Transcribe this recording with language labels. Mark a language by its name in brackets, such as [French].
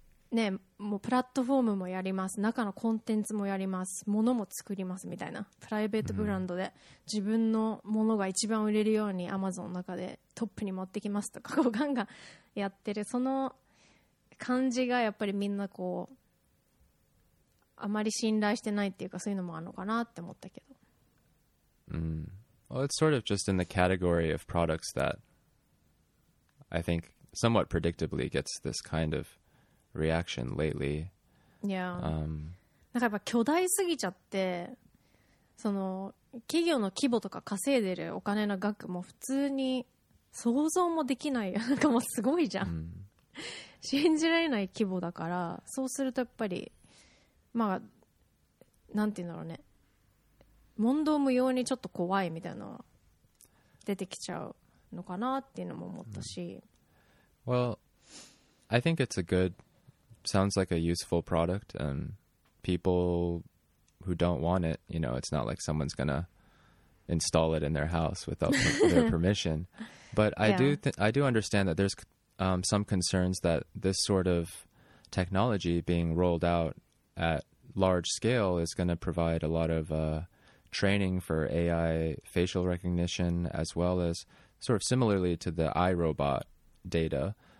[Japanese] ね、もうプラットフォームもやります中のコンテンツもやりますものも作りますみたいなプライベートブランドで自分のものが一番売れるようにアマゾンの中でトップに持ってきますとかこうガンガンやってるその感じがやっぱりみんなこうあまり信頼してないっていうかそういうのもあるのかなって思ったけど。 Mm. [English] Well, it's sort of just in the category of products that I think somewhat predictably gets this kind of reaction lately. Yeah. [Japanese] なんかやっぱ巨大すぎちゃって、その企業の規模とか稼いでるお金の額も普通に想像もできないよ。なんかもうすごいじゃん。 Mm. 信じられない規模だから、そうするとやっぱり。まあ、なんていうんだろうね問答無用にちょっと怖いみたいな出てきちゃうのかなっていうのも思ったし、 mm. [English] Well, I think it's a good sounds like a useful product and people who don't want it you know, it's not like someone's gonna install it in their house without their permission but I, I do understand that there's some concerns that this sort of technology being rolled outAt large scale is going to provide a lot of training for AI facial recognition as well as sort of similarly to the iRobot data.